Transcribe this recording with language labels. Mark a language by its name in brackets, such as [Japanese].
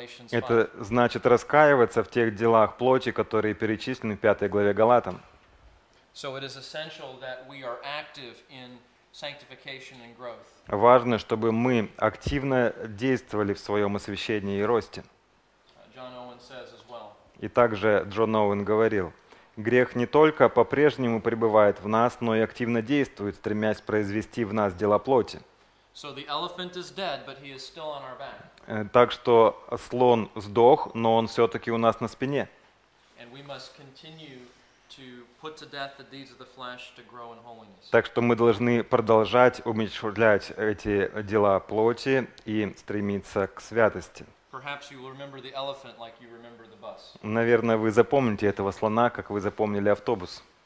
[Russian] Это значит раскаиваться в тех делах плоти, которые перечислены в 5 главе Галатам. [English] So it is essential that we are active in sanctification and growth. [Russian] Важно, чтобы мы активно действовали в своем освящении и росте. [English] John Owen says as well. [Russian] И также Джон Оуэн говорил, грех не только по-прежнему пребывает в нас, но и активно действует, стремясь произвести в нас дела плоти. [English] So the elephant is dead, but he is still on our back. [Russian] Так что слон сдох, но он все-таки у нас на спине. [English] And we must continue to put to death the deeds of the flesh to grow in holiness. [Russian] Так что мы должны продолжать уменьшать эти дела плоти и стремиться к святости. [English] Perhaps you remember the elephant like you remember the bus. [Russian] Наверное, вы запомните этого слона, как вы запомнили автобус.